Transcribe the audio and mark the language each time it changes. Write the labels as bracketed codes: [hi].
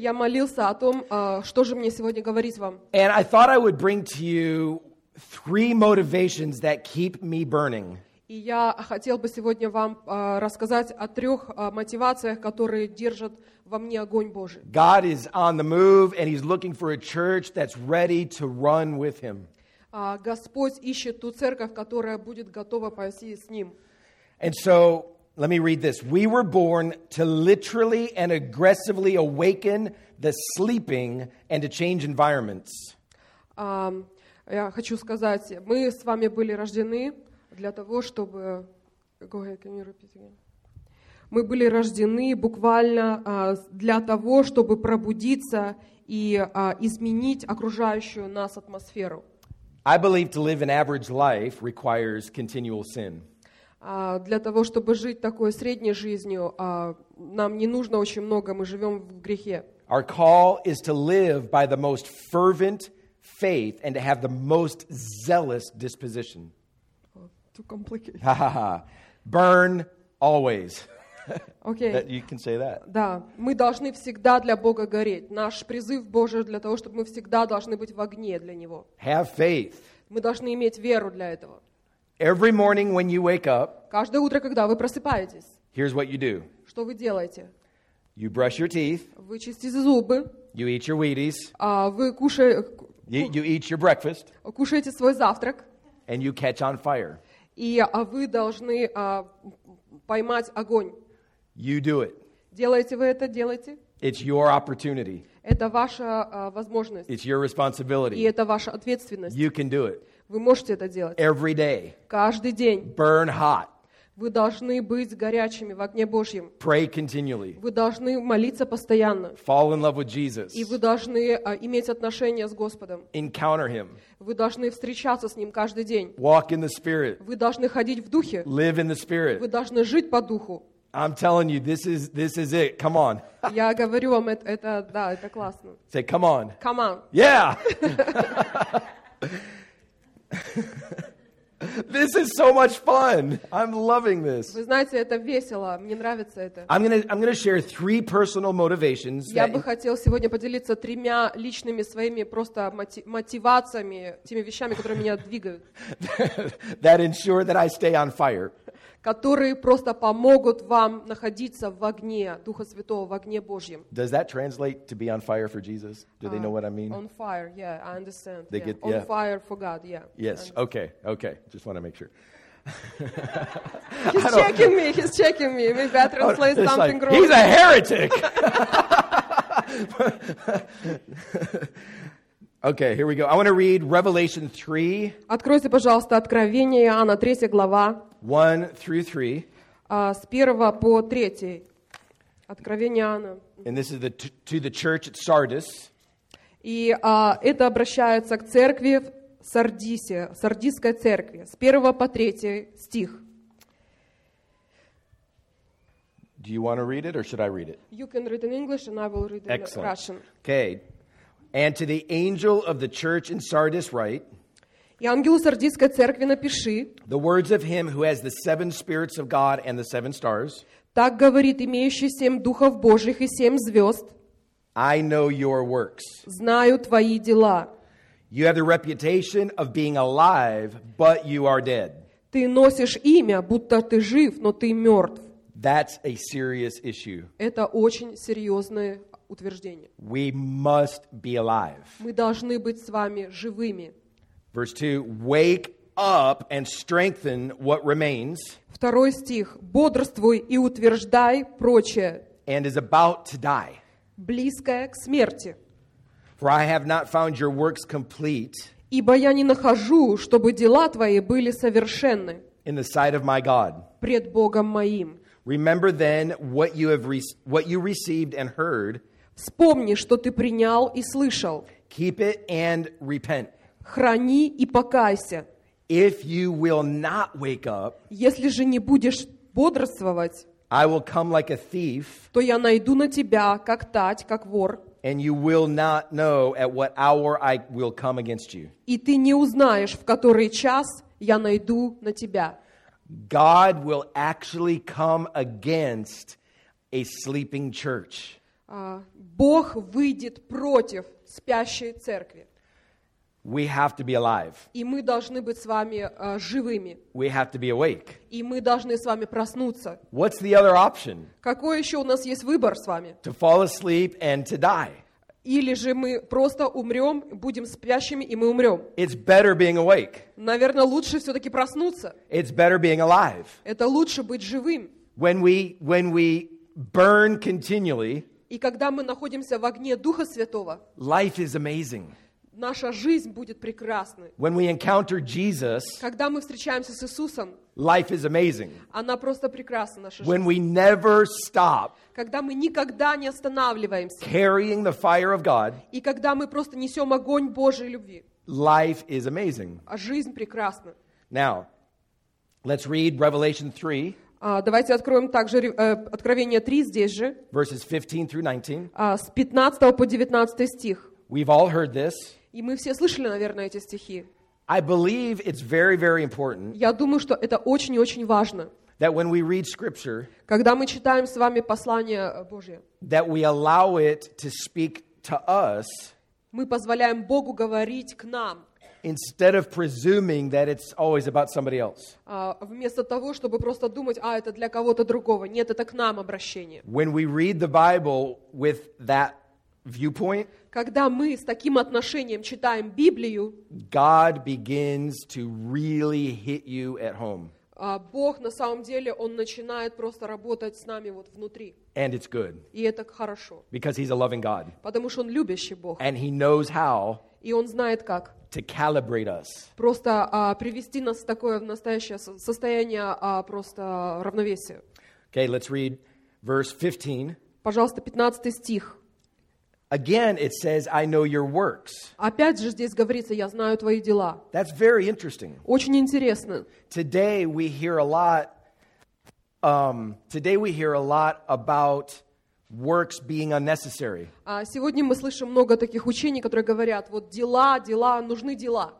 [ru] Я молился о том, что же мне сегодня говорить вам. [en] And I thought I would bring to you three motivations that keep me burning. [ru] И я хотел бы сегодня вам рассказать о трех мотивациях, которые держат во мне огонь Божий. [en] God is on the move, and He's looking for a church that's ready to run with Him. [ru] Господь ищет ту церковь, которая будет готова пойти с Ним. [en] And so, let me read this. We were born to literally and aggressively awaken the sleeping and to change environments. [ru] Я хочу сказать, мы с вами были рождены для того, чтобы... [en] Go ahead, can you repeat again? [ru] Мы были рождены буквально для того, чтобы пробудиться и изменить окружающую нас атмосферу. [en] I believe to live an average life requires continual sin. [ru] Для того, чтобы жить такой средней жизнью, нам не нужно очень много, мы живем в грехе. [en] Our call is to live by the most fervent faith and to have the most zealous disposition. Too complicated. Burn always. Okay. You can say that. [ru] Да, мы должны всегда для Бога гореть. Наш призыв Божий для того, чтобы мы всегда должны быть в огне для Него. [en] Have faith. [ru] Мы должны иметь веру для этого. [en] Every morning when you wake up, [ru] каждое утро, когда вы просыпаетесь, [en] here's what you do. [ru] Что вы делаете? [en] You brush your teeth. [ru] Вы чистите зубы. [en] You eat your Wheaties. [ru] Вы кушаете... [en] You eat your breakfast. [ru] Кушаете свой завтрак. [en] And you catch on fire. [ru] И вы должны поймать огонь. [en] You do it. [ru] Делаете вы это, делаете. [en] It's your opportunity. [ru] Это ваша возможность. [en] It's your responsibility. [ru] И это ваша ответственность. [en] You can do it. [ru] Вы можете это делать. [en] Every day. [ru] Каждый день. [en] Burn hot. [ru] Вы должны быть горячими в огне Божьем. [en] Pray continually. [ru] Вы должны молиться постоянно. [en] Fall in love with Jesus. [ru] И вы должны иметь отношения с Господом. [en] Encounter him. [ru] Вы должны встречаться с ним каждый день. [en] Walk in the Spirit. [ru] Вы должны ходить в духе. [en] Live in the Spirit. [ru] Вы должны жить по духу. [en] I'm telling you, this is it. Come on. [ru] Я говорю вам, это да, это классно. [en] Say, come on. Come on. Yeah. This is so much fun. I'm loving this. [ru] Вы знаете, это весело. Мне нравится это. [en] I'm gonna share three personal motivations. [ru] Я бы хотел сегодня поделиться тремя личными своими просто мотивациями, теми вещами, которые меня двигают. [en] That ensure that I stay on fire. [ru] Которые просто помогут вам находиться в огне Духа Святого, в огне Божьем. [en] Does that translate to be on fire for Jesus? Do they know what I mean? On fire, yeah, I understand. They yeah. Get, yeah. On fire for God, yeah. Yes, okay, okay. Just want to make sure. He's checking me. We better translate something like, wrong. He's a heretic! Okay, here we go. I want to read Revelation 3. [ru] Откройте, пожалуйста, Откровение Иоанна, 3 глава. [en] 1 through 3. [ru] С 1 по 3. Откровение Иоанна. [en] And this is to the church at Sardis. [ru] И это обращается к церкви в Сардисе, Сардисской церкви. С 1 по 3 стих. [en] Do you want to read it or should I read it? You can read in English and I will read Excellent. In Russian. Okay. And to the angel of the church in Sardis write, [ru] И ангелу Сардийской церкви напиши, [en] the words of him who has the seven spirits of God and the seven stars, [ru] так говорит имеющий семь духов Божьих и семь звезд, [en] I know your works. [ru] Знаю твои дела. [en] You have the reputation of being alive, but you are dead. [ru] Ты носишь имя, будто ты жив, но ты мертв. [en] That's a serious issue. [ru] Это очень серьезное утверждение. [en] We must be alive. [ru] Мы должны быть с вами живыми. [en] Verse 2, wake up and strengthen what remains. [ru] Второй стих, бодрствуй и утверждай прочее. [en] And is about to die. [ru] Близкое к смерти. [en] For I have not found your works complete. [ru] Ибо я не нахожу, чтобы дела твои были совершенны. [en] In the sight of my God. [ru] Пред Богом моим. [en] Remember then what you have what you received and heard. [ru] Вспомни, что ты принял и слышал. [en] Keep it and repent. [ru] Храни и покайся. [en] If you will not wake up, [ru] если же не будешь бодрствовать, [en] I will come like a thief, [ru] то я найду на тебя, как тать, как вор. [en] And you will not know at what hour I will come against you. [ru] И ты не узнаешь, в который час я найду на тебя. [en] God will actually come against a sleeping church. [ru] Бог выйдет против спящей церкви. [en] We have to be alive. [ru] И мы должны быть с вами живыми. [en] We have to be awake. [ru] И мы должны с вами проснуться. [en] What's the other option? [ru] Какой еще у нас есть выбор с вами? [en] To fall asleep and to die. [ru] Или же мы просто умрем, будем спящими и мы умрем. [en] It's better being awake. [ru] Наверное, лучше все-таки проснуться. [en] It's better being alive. [ru] Это лучше быть живым. [en] When we burn continually. [ru] И когда мы находимся в огне Духа Святого. [en] Life is amazing. [ru] Наша жизнь будет прекрасной. [en] When we encounter Jesus, [ru] когда мы встречаемся с Иисусом, [en] life is amazing. [ru] Она просто прекрасна, наша [en] When [ru] жизнь. [en] We never stop, [ru] когда мы никогда не останавливаемся, [en] carrying the fire of God, [ru] и когда мы просто несем огонь Божьей любви, [en] life is amazing. [ru] А жизнь прекрасна. [en] Now, let's read Revelation 3. [ru] Давайте откроем также Откровение 3 здесь же. [en] Verses 15 through 19. [ru] С 15 по 19 стих. [en] We've all heard this. [ru] И мы все слышали, наверное, эти стихи. [en] I believe it's very, very important. [ru] Я думаю, что это очень и очень важно. [en] That when we read scripture, [ru] когда мы читаем с вами послание Божие, [en] that we allow it to speak to us. [ru] Мы позволяем Богу говорить к нам. [en] Instead of presuming that it's always about somebody else. [ru] Вместо того, чтобы просто думать, а это для кого-то другого. Нет, это к нам обращение. [en] When we read the Bible with that viewpoint. [ru] Когда мы с таким отношением читаем Библию, [en] God begins to really hit you at home. [ru] Бог на самом деле, Он начинает просто работать с нами вот внутри. [en] And it's good. [ru] И это хорошо. [en] Because He's a loving God. [ru] Потому что Он любящий Бог. [en] And He knows how. [ru] и он знает как. [en] To calibrate us. [ru] Просто привести нас в такое настоящее состояние просто равновесия. [en] Okay, let's read verse 15. [ru] Пожалуйста, 15 стих. [en] Again, it says, "I know your works." [ru] Опять же здесь говорится, я знаю твои дела. [en] That's very interesting. [ru] Очень интересно. [en] Today we hear a lot. Today we hear a lot about works being unnecessary. [ru] Сегодня мы слышим много таких учений, которые говорят, вот дела, дела, нужны дела.